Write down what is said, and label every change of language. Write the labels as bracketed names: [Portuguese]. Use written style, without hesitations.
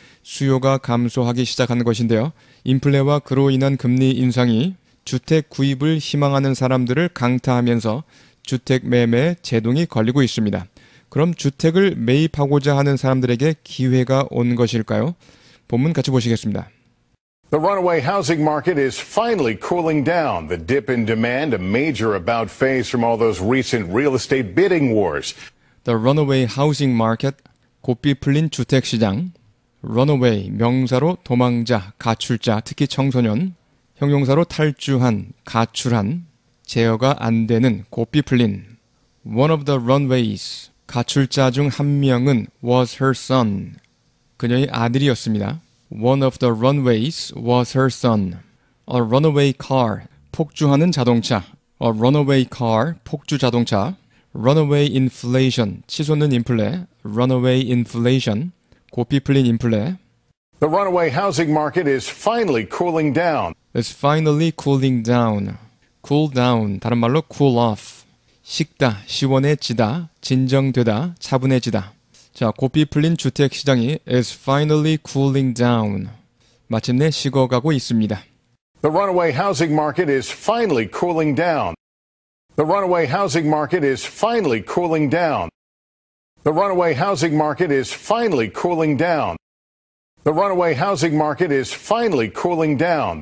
[Korean] 수요가 감소하기 시작하는 것인데요. 인플레와 그로 인한 금리 인상이 주택 구입을 희망하는 사람들을 강타하면서 주택 매매에 제동이 걸리고 있습니다. 그럼 주택을 매입하고자 하는 사람들에게 기회가 온 것일까요? 본문 같이 보시겠습니다. [English] The runaway housing market is finally cooling down. The dip in demand, a major about face from all those recent real estate bidding wars. The runaway housing market, [Korean] 고삐 풀린 주택시장. Runaway, 명사로 도망자, 가출자, 특히 청소년. 형용사로 탈주한, 가출한, 제어가 안 되는 고삐 풀린. [English] One of the runaways, [Korean] 가출자 중 한 명은 [English] was her son, [Korean] 그녀의 아들이었습니다. [English] One of the runaways was her son. A runaway car, [Korean] 폭주하는 자동차. [English] A runaway car, [Korean] 폭주 자동차. [English] Runaway inflation, [Korean] 치솟는 인플레. [English] Runaway inflation, [Korean] 고삐 풀린 인플레. [English] The runaway housing market is finally cooling down. It's finally cooling down. Cool down, [Korean] 다른 말로 [English] cool off. [Korean] 식다, 시원해지다, 진정되다, 차분해지다. 자, 고삐 풀린 주택시장이 [English] is finally cooling down. [Korean] 마침내 식어가고 있습니다. [English] The runaway housing market is finally cooling down. The runaway housing market is finally cooling down. The runaway housing market is finally cooling down. The runaway housing market is finally cooling down.